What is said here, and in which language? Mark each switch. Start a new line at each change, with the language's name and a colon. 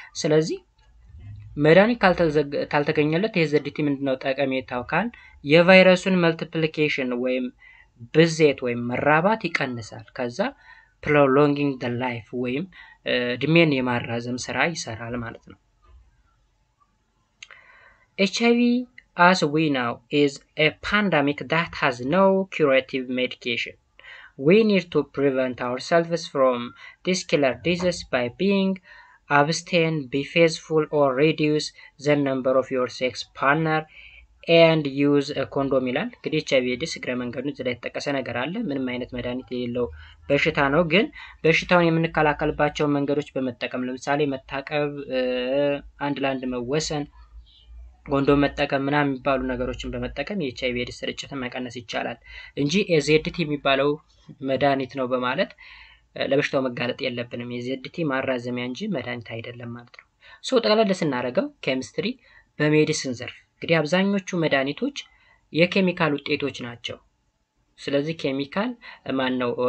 Amharic: ስለዚህ መድኃኒት ካልተገኘለት AZT ምንድነው ጠቀሜታው ካል የቫይረሱን multiplication ወይም ብዜት ወይም መራባት ይቀንሳል። ከዛ
English: prolonging the life
Amharic: ወይም እድሜን የማራዘም ስራ ይሰራል ማለት ነው።
English: HIV as we know is a pandemic that has no curative medication. We need to prevent ourselves from this killer disease by being abstain, be faithful, or reduce the number of your sex partner and use a condom.
Amharic: ይላል እንግዲህ HIV AIDS ግራ መንገዱን ዘለ የተጠቀሰ ነገር አለ። ምንም አይነት መድኃኒት የሌለው በሽታ ነው ግን በሽታውን የምንከላከልባቸው መንገዶች በመጠቀም ለምሳሌ መታቀብ፣ አንድ ላንድ መወሰን፣ ኮንዶም መጠቀም እና የሚባሉ ነገሮችን በመጠቀም HIV AIDS ስርጭትን መቀነስ ይቻላል እንጂ AZT የሚባለው መድኃኒት ነው በማለት ለበሽታው መጋለጥ የለብንም። AZT ማራዘሚያ እንጂ መድኃኒት አይደለም ማለት ነው። ሶ ጠቅላላ ስናረጋው ኬሚስትሪ በሜዲሲን ዘርፍ እንግዲህ አብዛኞቹ መድኃኒቶች የኬሚካል ውጤቶች ናቸው። ስለዚህ ኬሚካል ማን ነው?